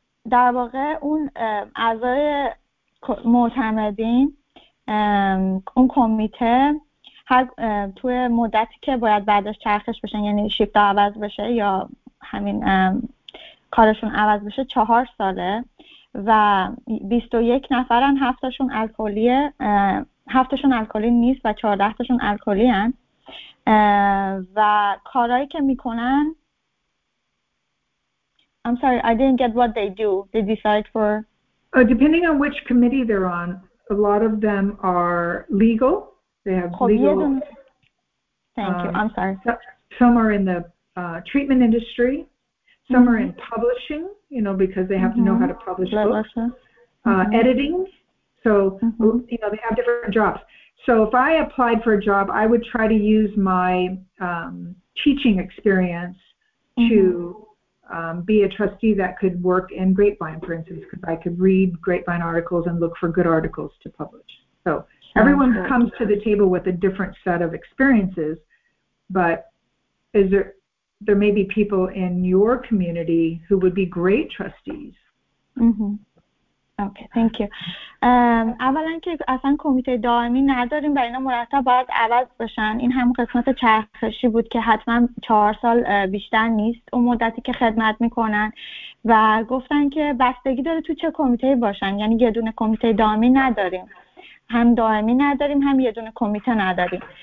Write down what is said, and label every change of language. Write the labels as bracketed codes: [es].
[fa] در واقع اون اعضای معتمدین اون کمیته توی مدتی که باید بعدش چرخش بشن یعنی شیفت عوض بشه یا همین کارشون عوض بشه 4 ساله و 21 نفرن 7 تاشون الکلیه 7 تاشون الکلی نیست و 14 تاشون الکلی هن و کارهایی که میکنن [en] I'm sorry I didn't get what they do they decide for depending on which committee they're on a lot of them are legal they have legal some are in the treatment industry some are in publishing you know, because they have to know how to publish books. Editing. So, you know, they have different jobs. So if I applied for a job, I would try to use my teaching experience to be a trustee that could work in Grapevine, for instance, because I could read Grapevine articles and look for good articles to publish. So everyone comes to the table with a different set of experiences, but is there... There may be people in your community who would be great trustees. Mm-hmm. Okay thank you. [fa] اولا که اصلا کمیته دائمی نداریم، برای اینا مرتب باید عوض بشن. این هم قسمت چرخشی بود که حتما 4 سال بیشتر نیست اون مدتی که خدمت میکنن، و گفتن که بستگی داره تو چه کمیته باشن، یعنی یه دونه کمیته دائمی نداریم، هم دائمی نداریم هم یه دونه کمیته نداریم.